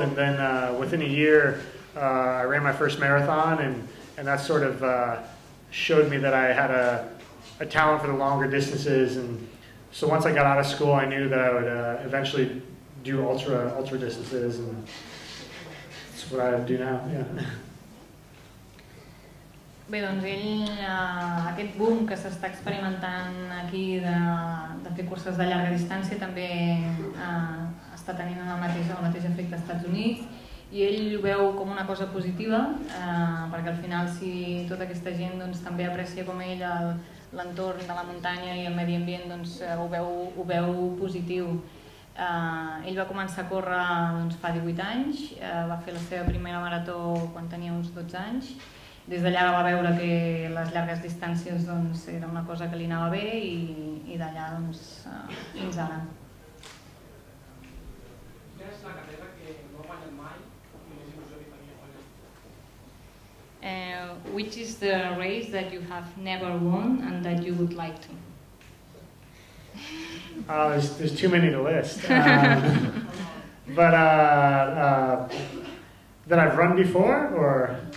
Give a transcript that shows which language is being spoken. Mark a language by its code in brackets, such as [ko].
[en] And then within a year, I ran my first marathon. And that sort of showed me that I had a talent for the longer distances. And so once I got out of school, I knew that I would eventually do ultra distances, and that's what I do now, yeah. [ca] Bé, doncs ell, aquest boom que s'està experimentant aquí de fer curses de llarga distància també està tenint el mateix efecte als Estats Units I ell ho veu com una cosa positiva perquè al final si tota aquesta gent doncs, també aprecia com ell l'entorn de la muntanya I el medi ambient doncs, ho veu positiu. Ell va començar a córrer doncs, fa 18 anys, va fer la seva primera marató quan tenia uns 12 anys. Des d'allà va veure que les llargues distàncies doncs, era una cosa que li anava bé I d'allà doncs, fins ara. Quina és la carrera que no ha guanyat mai I més il·lusió que tenia guanyat? [en] Which is the race that you have never won and that you would like to? There's too many to list, that I've run before, or?